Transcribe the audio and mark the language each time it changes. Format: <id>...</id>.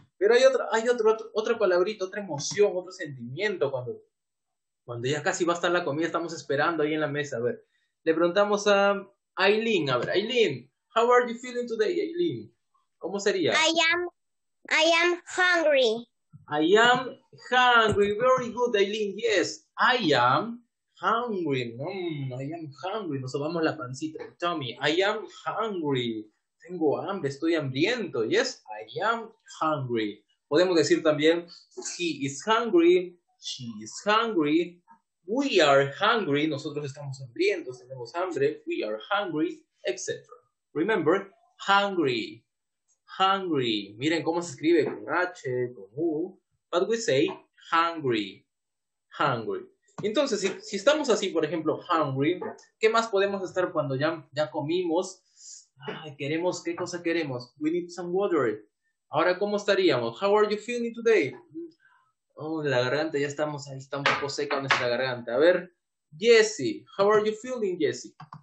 <es>Pero hay otra palabrita, otra emoción, otro sentimiento. Cuando ya casi va a estar la comida, estamos esperando ahí en la mesa. A ver, le preguntamos a Aileen. A ver,</es> <en>Aileen, how are you feeling today, Aileen?</en> <es>¿Cómo sería?</es> <en>I am hungry. I am hungry. Very good, Aileen. Yes, I am hungry. I am hungry.</en> <es>Nos sobamos la pancita.</es> <en>Tommy, I am hungry.</en> <es>Tengo hambre, estoy hambriento.</es> <en>Yes, I am hungry.</en> <es>Podemos decir también,</es> <en>he is hungry. She is hungry. We are hungry.</en> <es>Nosotros estamos hambrientos, tenemos hambre.</es> <en>We are hungry, etc. Remember, hungry. Hungry.</en> <es>Miren cómo se escribe con H, con U.</es> <en>But we say hungry. Hungry.</en> <es>Entonces, si estamos así, por ejemplo, hungry, ¿qué más podemos estar cuando ya comimos? Ay, queremos, ¿qué cosa queremos?</es> <en>We need some water.</en> <es>Ahora, ¿cómo estaríamos?</es> <en>How are you feeling today?</en> <es>Oh, la garganta, ya estamos ahí, está un poco seca nuestra garganta. A ver,</es> <en>Jesse, how are you feeling, Jesse?</en>